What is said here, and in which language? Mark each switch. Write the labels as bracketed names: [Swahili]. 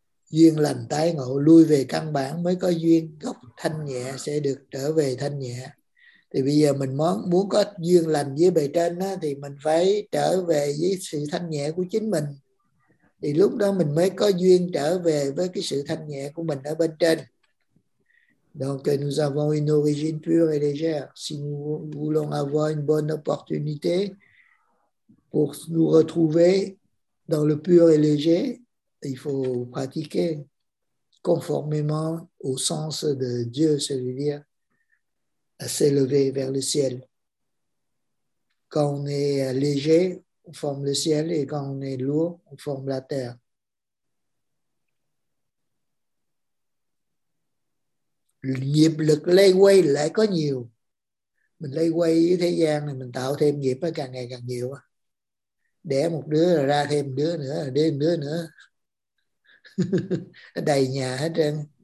[Vietnamese] Duyên lành tái ngộ, lui về căn bản mới có duyên. Gốc thanh nhẹ sẽ được trở về thanh nhẹ. Thì bây giờ mình muốn có duyên lành với bề trên đó, thì mình phải trở về với sự thanh nhẹ của chính mình. Thì lúc đó mình mới có duyên trở về với cái sự thanh nhẹ của mình ở bên trên. [French] Donc nous avons une origine pure et légère. Si nous voulons avoir une bonne opportunité pour nous retrouver dans le pur et léger, il faut pratiquer conformément au sens de Dieu, c'est-à-dire à s'élever vers le ciel. Quand on est léger, on forme le ciel, et quand on est lourd, on forme la terre. [Vietnamese] Nghiệp lực lay quay lại có nhiều. Mình lay quay với thế gian này, mình tạo thêm nghiệp càng ngày càng nhiều. Đẻ một đứa rồi ra thêm một đứa nữa, rồi đẻ một đứa nữa. Đầy nhà hết trơn.